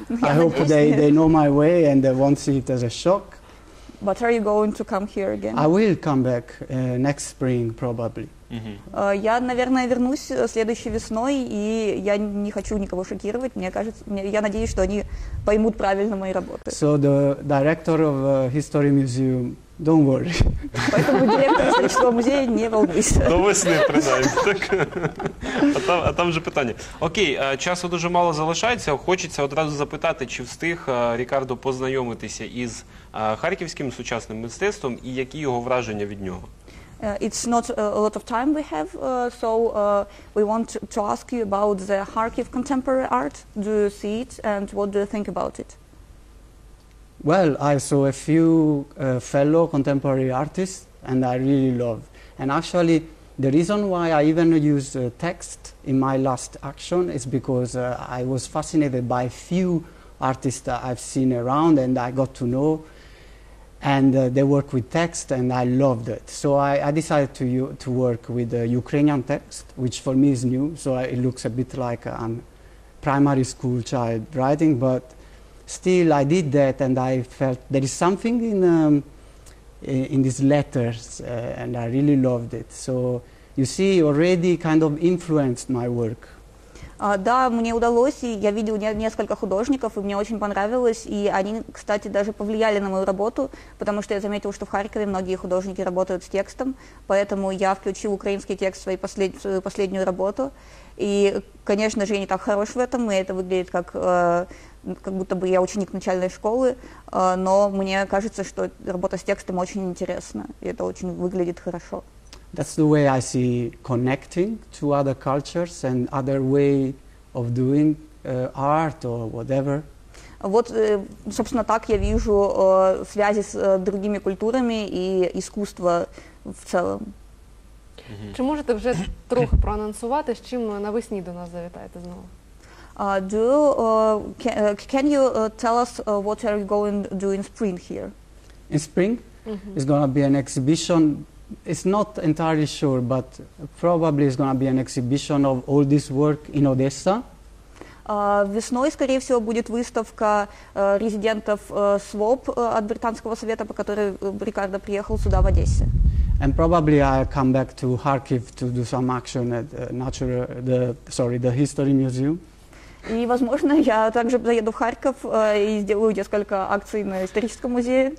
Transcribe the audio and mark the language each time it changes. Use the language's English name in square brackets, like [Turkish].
[English] I hope they know my way and they won't see it as a shock. But are you going to come here again? I will come back next spring, probably. Mm-hmm. [Russian] Я, наверное, вернусь следующей весной, и я не хочу никого шокировать. Мне кажется, я надеюсь, что они поймут правильно мои работы. [English] So the director of History Museum, don't worry. [Russian] Поэтому директор исторического музея, не волнуйся. [Ukrainian] До весни, принаймні. А там же питання. Окей, часу дуже мало залишається. Хочеться одразу запитати, чи встиг Рікардо познайомитися із харківським сучасним мистецтвом і які його враження від нього? [English] It's not a lot of time we have, so we want to ask you about the Kharkiv contemporary art. Do you see it and what do you think about it? Well, I saw a few fellow contemporary artists and I really love. And actually, the reason why I even used text in my last action is because I was fascinated by a few artists that I've seen around and I got to know. And they work with text, and I loved it. So I decided to work with Ukrainian text, which for me is new. So it looks a bit like I'm primary school child writing, but still I did that, and I felt there is something in these letters, and I really loved it. So you see, already kind of influenced my work. [Russian] Да, мне удалось, и я видел несколько художников, и мне очень понравилось, и они, кстати, даже повлияли на мою работу, потому что я заметил, что в Харькове многие художники работают с текстом, поэтому я включил украинский текст в свою последнюю работу, и, конечно же, я не так хорош в этом, и это выглядит как будто бы я ученик начальной школы, но мне кажется, что работа с текстом очень интересна, и это очень выглядит хорошо. [English] That's the way I see connecting to other cultures and other way of doing art or whatever. [Russian] Вот, собственно, так я вижу связи с другими культурами и искусство в целом. [Ukrainian] Чи можете вже трохи проанонсувати, з чим навесні до нас завітаєте знову? [English] Can you tell us what are you going to do in spring here? In spring? Mm-hmm. It's going to be an exhibition. It's not entirely sure, but probably it's going to be an exhibition of all this work in Odessa. [Russian] Весной, скорее всего, будет выставка резидентов СВОП от Британского совета, по которой Рикардо приехал сюда, в Одессе. [English] And probably I'll come back to Kharkiv to do some action at the History Museum. [Russian] И, возможно, я также заеду в Харьков и сделаю несколько акций на историческом музее.